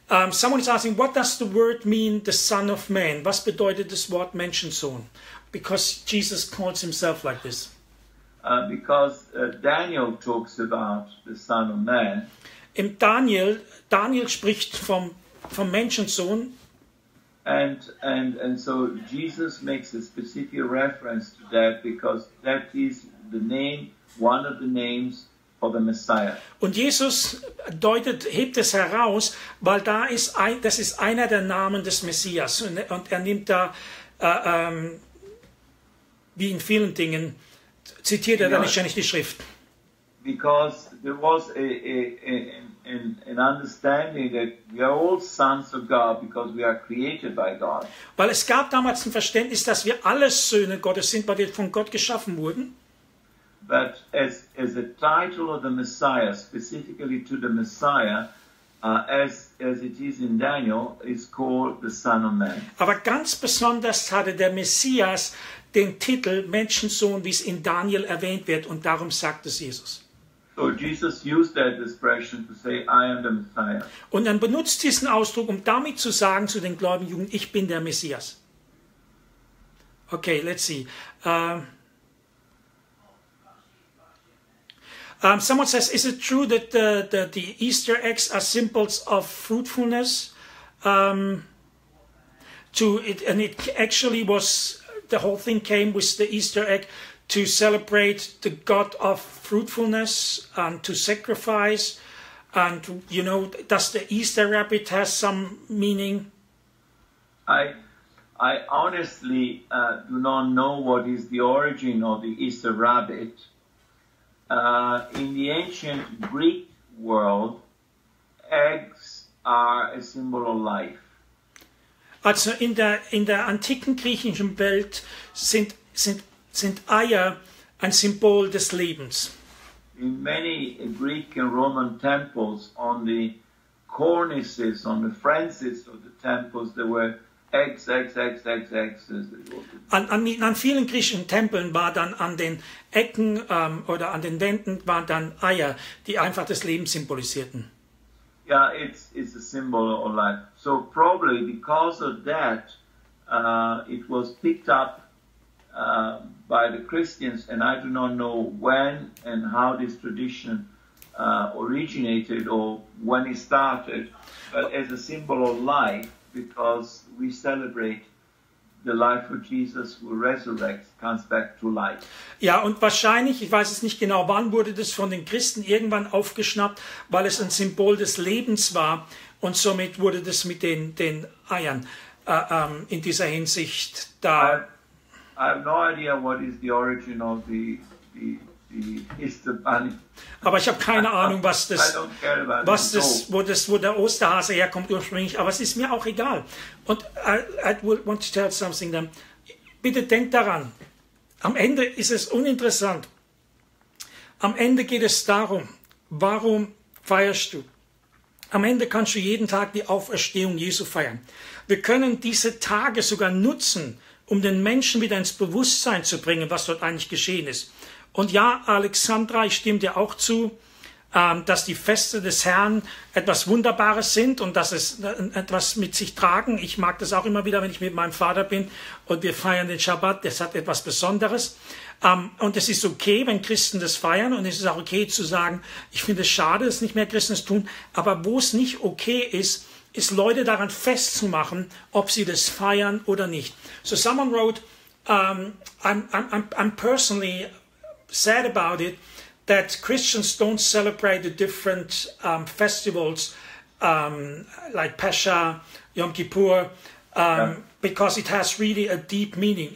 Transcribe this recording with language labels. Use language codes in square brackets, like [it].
[en] Someone is asking, what does the word mean, the son of man? [de] Was bedeutet das Wort Menschensohn? [en] Because Jesus calls himself like this. Because Daniel talks about the son of man. [de] Im Daniel spricht vom Menschensohn. [en] And so Jesus makes a specific reference to that because that is the name, one of the names of the Messiah. [de] Und Jesus hebt es heraus, weil das ist einer der Namen des Messias. Und er nimmt da, wie in vielen Dingen, zitiert er dann wahrscheinlich die Schrift. [en] Because there was an understanding that we are all sons of God because we are created by God. [de] Weil es gab damals ein Verständnis, dass wir alle Söhne Gottes sind, weil wir von Gott geschaffen wurden. [en] But as a title of the Messiah, specifically to the Messiah, as it is in Daniel, is called the Son of Man. [de] Aber ganz besonders hatte der Messias den Titel Menschensohn, wie es in Daniel erwähnt wird, und darum sagt es Jesus. [en] So Jesus used that expression to say, I am the Messiah. [de] Und dann benutzt diesen Ausdruck, um damit zu sagen zu den gläubigen Jungen, ich bin der Messias. [en] Okay, let's see. Someone says, is it true that the Easter eggs are symbols of fruitfulness? The whole thing came with the Easter egg to celebrate the God of fruitfulness and to sacrifice. And, you know, does the Easter rabbit has some meaning? I honestly do not know what is the origin of the Easter rabbit. In the ancient Greek world, eggs are a symbol of life. [de] Also in der antiken griechischen Welt sind Eier ein Symbol des Lebens. [en] In many Greek and Roman temples, on the cornices, on the frontices of the temples, there were eggs, eggs, eggs, eggs, eggs. [de] An vielen griechischen Tempeln war dann an den Ecken oder an den Wänden waren dann Eier, die einfach das Leben symbolisierten. [en] Yeah, it's a symbol of life. So probably because of that, it was picked up by the Christians, and I do not know when and how this tradition originated or when it started, but as a symbol of life, because we celebrate the life of Jesus who resurrects, comes back to life. [de] Ja, und wahrscheinlich, ich weiß es nicht genau, wann wurde das von den Christen irgendwann aufgeschnappt, weil es ein Symbol des Lebens war. Und somit wurde das mit den Eiern in dieser Hinsicht da. [en] I have no idea what is the origin of the Easter bunny. [de] Aber ich habe keine Ahnung, wo der Osterhase herkommt ursprünglich. Aber es ist mir auch egal. Und [en] I want to tell something then. [de] Bitte denkt daran. Am Ende ist es uninteressant. Am Ende geht es darum, warum feierst du? Am Ende kannst du jeden Tag die Auferstehung Jesu feiern. Wir können diese Tage sogar nutzen, um den Menschen wieder ins Bewusstsein zu bringen, was dort eigentlich geschehen ist. Und ja, Alexandra, ich stimme dir auch zu, dass die Feste des Herrn etwas Wunderbares sind und dass es etwas mit sich tragen. Ich mag das auch immer wieder, wenn ich mit meinem Vater bin und wir feiern den Schabbat. Das hat etwas Besonderes. Und es ist okay, wenn Christen das feiern, und es ist auch okay zu sagen, ich finde es schade, dass nicht mehr Christen es tun. Aber wo es nicht okay ist, ist Leute daran festzumachen, ob sie das feiern oder nicht. [en] So someone wrote, I'm personally sad about it, that Christians don't celebrate the different festivals like Pascha, Yom Kippur, because it has really a deep meaning.